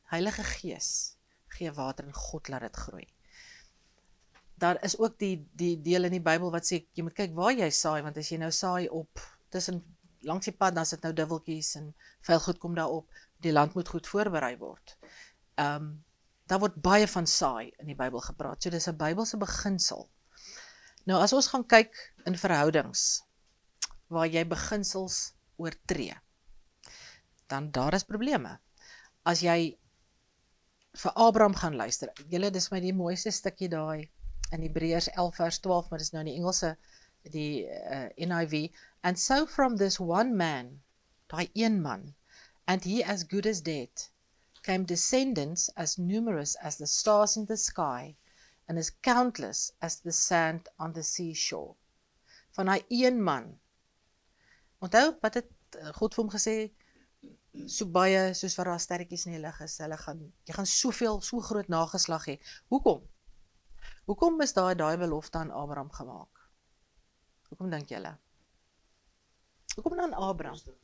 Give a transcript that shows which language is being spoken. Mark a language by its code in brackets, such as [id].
[af] Heilige Gees gee water en God laat het groei. Daar is ook die deel in die Bybel wat sê, jy moet kyk waar jy saai, want as jy nou saai op, tussen langs die pad, dan sit nou duvelkies en vuilgoed kom daar op, die land moet goed voorberei word. Daar word baie van saai in die Bybel gepraat, so dis 'n Bybelse beginsel. Nou as ons gaan kyk in verhoudings, waar jy beginsels oortree, dan daar is probleme. As jy vir Abraham gaan luister, julle dis my die mooiste stukkie daai, in Hebreërs 11 vers 12, maar dis nou in die Engelse, die NIV, [en] and so from this one man, [af] die een man, [en] and he as good as dead, came descendants as numerous as the stars in the sky and as countless as the sand on the seashore. [af] Van hy een man. Onthou, wat het God vir hom gesê, so baie, soos waar daar sterretjies in die lig is, hulle gaan, jy gaan soveel, so groot nageslag hê. Hoekom? Hoekom is daai belofte aan Abraham gemaak? Hoekom dink julle? Hoekom dan Abraham?